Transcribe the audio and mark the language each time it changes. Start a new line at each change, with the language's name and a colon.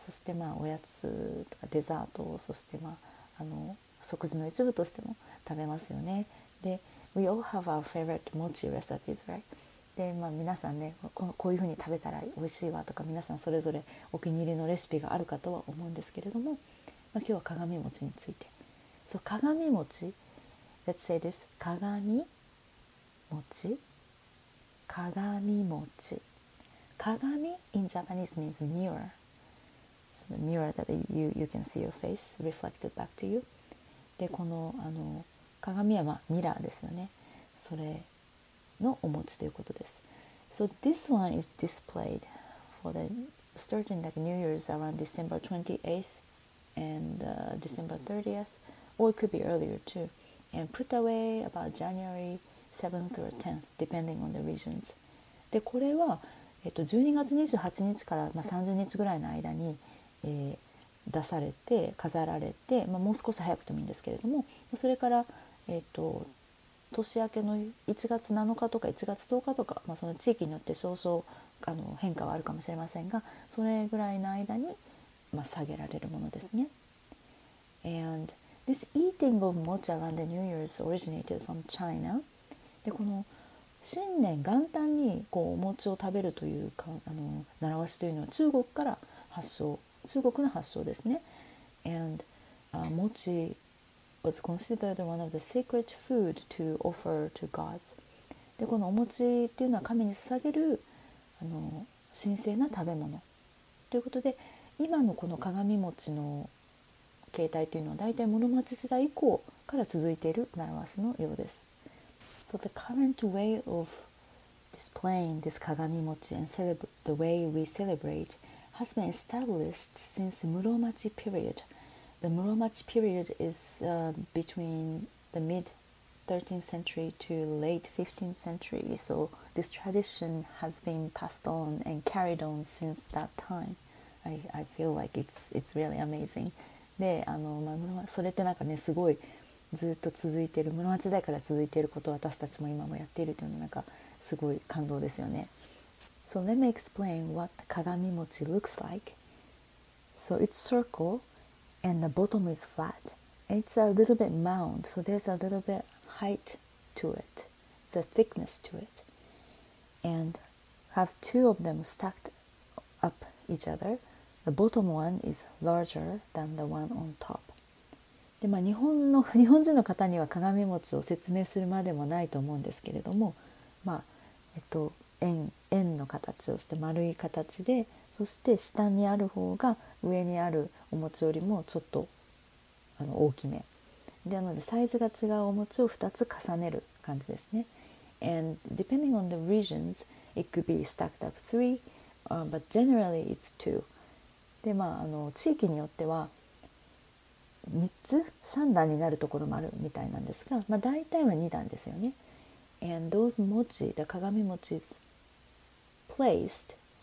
Japanese: そしてまあおやつとかデザートをそしてまあ食事の一部としても食べますよね。
English: で We all have our favorite mochi recipes, right?
Japanese: で、まあ、皆さんね こういうふうに食べたら美味しいわとか皆さんそれぞれお気に入りのレシピがあるかとは思うんですけれども、まあ、今日は鏡餅について。そう、鏡餅、
English: Let's say this
Japanese: 鏡餅、鏡餅。
English: 鏡 in Japanese means mirror. So the mirror that you can see your face reflected back to you.
Japanese: で、この、鏡は、まあ、ミラーですよね。それのお餅ということです。
English: So this one is displayed for the starting like New Year's around December 28th and December 30th, or it could be earlier too, and put away about January 7th or 10th, depending on the regions.
Japanese: で、これは、12月28日から、まあ、30日ぐらいの間に、出されて飾られて、まあ、もう少し早くてもいいんですけれども、それから、年明けの1月7日とか1月10日とか、まあ、その地域によって少々変化はあるかもしれませんが、それぐらいの間に、まあ、下げられるものですね。
English: And this eating of mochi around the New Year's originated from China.
Japanese: で、この新年元旦にこうお餅を食べるというか習わしというのは中国から発祥、中国の発祥ですね。
English: And mochi was considered one of the sacred food to offer to gods.
Japanese: で、このお餅っていうのは神に捧げる神聖な食べ物ということで、今のこの鏡餅の形態というのはだいたい室町時代以降から続いている習わしのようです。
English: So the current way of displaying this kagami mochi and the way we celebrate has been established since Muromachi period. The Muromachi period is between the mid 13th century to late 15th century. So this tradition has been passed on and carried on since that time. I feel like it's really amazing.
Japanese: で、まあ、それってなんかねすごいずっと続いている室町時代から続いていることを私たちも今もやっているというのはなんかすごい感動ですよね。
English: So let me explain what 鏡餅 looks like. So it's circle and the bottom is flat. And it's a little bit mound. So there's a little bit height to it. It's a thickness to it. And have two of them stacked up each other. The bottom one is larger than the one on top.
Japanese: で、まあ、日本人の方には鏡餅を説明するまでもないと思うんですけれども、まあ円の形をして丸い形で、そして下にある方が上にあるお餅よりもちょっと大きめ。で、なのでサイズが違うお餅を2つ重ねる感じですね。
English: And depending on the regions, it could be stacked up three, but generally it's two.
Japanese: で、まあ地域によっては、3つ3段になるところもあるみたいなんですが、まあ、大体は2段ですよね。
English: And those mochi, the kagami mochi is placed